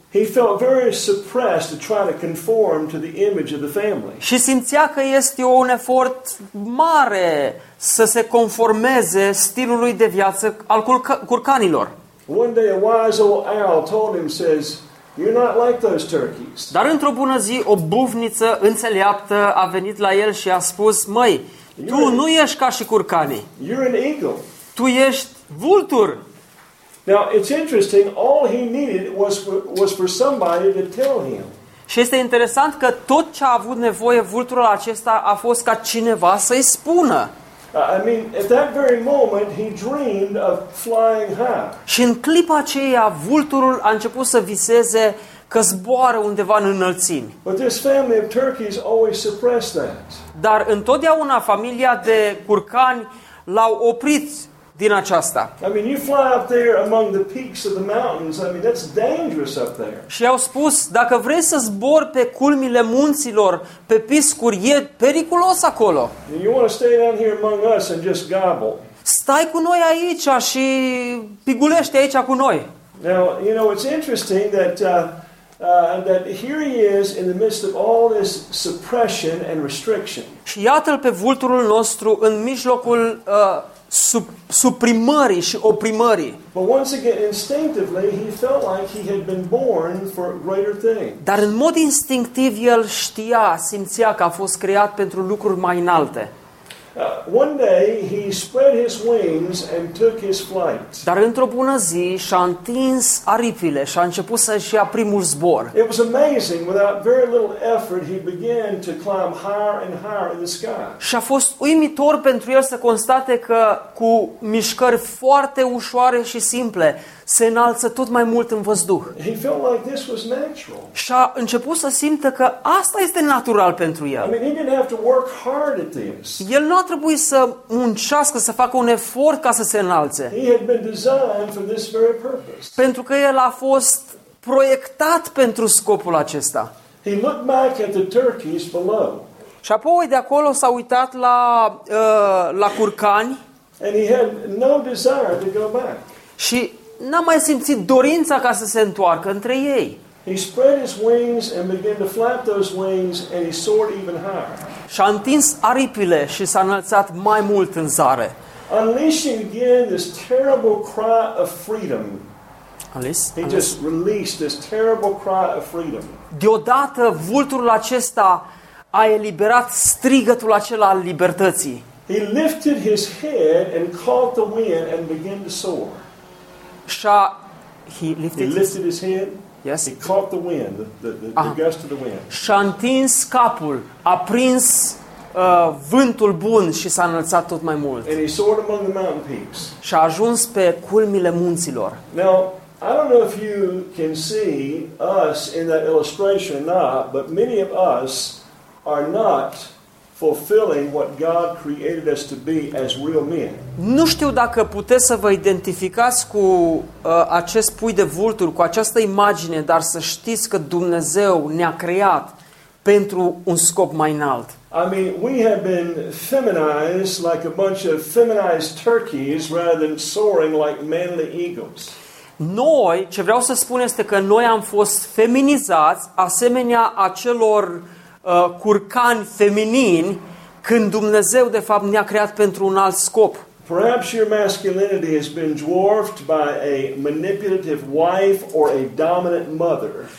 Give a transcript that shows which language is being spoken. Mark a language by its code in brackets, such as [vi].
[en] He felt very suppressed to try to conform to the image of the family. [ro] Și simțea că este un efort mare să se conformeze stilului de viață al curcanilor. [en] One day a wise old owl told him, says, "You're not like those turkeys." [ro] Dar într-o bună zi, o bufniță înțeleaptă a venit la el și a spus, "Măi, Tu nu ești ca și curcanii. [en] You're an eagle. [ro] Tu ești vultur. [en] Now it's interesting, all he needed was for somebody to tell him. [ro] Și este interesant că tot ce a avut nevoie vulturul acesta a fost ca cineva să-i spună. [en] I mean, at that very moment he dreamed of flying high. [ro] Și în clipa aceea vulturul a început să viseze că zboară undeva în înălțimi. [en] But this family of turkeys always suppressed that. [ro] Dar întotdeauna familia de curcani l-au oprit din aceasta. [en] I mean, you fly up there among the peaks of the mountains. I mean, that's dangerous up there. [ro] Și au spus, dacă vrei să zbori pe culmile munților, pe piscuri, e periculos acolo. [en] You want to stay down here among us and just gobble. [ro] Stai cu noi aici și pigulește aici cu noi. [en] Now, you know, it's interesting that that here he is in the midst of all this suppression and restriction. [ro] Și iată-l pe vulturul nostru în mijlocul suprimării și oprimării. [en] But once again, instinctively, he felt like he had been born for greater things. [ro] Dar în mod instinctiv el știa, simțea că a fost creat pentru lucruri mai înalte. [en] One day he spread his wings and took his flight. [ro] Dar într-o bună zi și-a întins aripile și a început să-și ia primul zbor. [en] It was amazing, without very little effort he began to climb higher and higher in the sky. [ro] Și a fost uimitor pentru el să constate că cu mișcări foarte ușoare și simple se înalță tot mai mult în văzduh. [en] He felt like this was natural. [ro] Și a început să simtă că asta este natural pentru el. [en] I mean, he didn't have to work hard at this. [ro] El nu a trebuit să muncească, să facă un efort ca să se înalțe. [en] He had been designed for this very purpose. [ro] Pentru că el a fost proiectat pentru scopul acesta. [en] He looked back at the turkeys below. [ro] Și apoi de acolo s-a uitat la, la curcani. [en] And he had no desire to go back. [ro] Și n-a mai simțit dorința ca să se întoarcă între ei. [en] He spread his wings and began to flap those wings and he soared even higher. [ro] Și-a întins aripile și s-a înălțat mai mult în zare. [en] Unleashing again this terrible cry of freedom. He just released this terrible cry of freedom. [ro] Deodată vulturul acesta a eliberat strigătul acela al libertății. [en] He lifted his head and caught the wind and began to soar. He lifted his head. Yes. He caught the wind, the gust of the wind. [ro] Și-a întins capul, a prins vântul bun și s-a înălțat tot mai mult. [en] And he soared among the mountain peaks. [ro] Și-a ajuns pe culmile munților. [en] Now, I don't know if you can see us in that illustration or not, but many of us are not fulfilling what God created us to be as real men. [ro] Nu știu dacă puteți să vă identificați cu acest pui de vulturi, cu această imagine, dar să știți că Dumnezeu ne-a creat pentru un scop mai înalt. [en] I mean, we have been feminized like a bunch of feminized turkeys rather than soaring like manly eagles. [ro] Noi, ce vreau să spun este că noi am fost feminizați asemenea acelor curcani feminini, când Dumnezeu de fapt ne-a creat pentru un alt scop. [en] Perhaps your masculinity has been dwarfed by a manipulative wife or a dominant mother.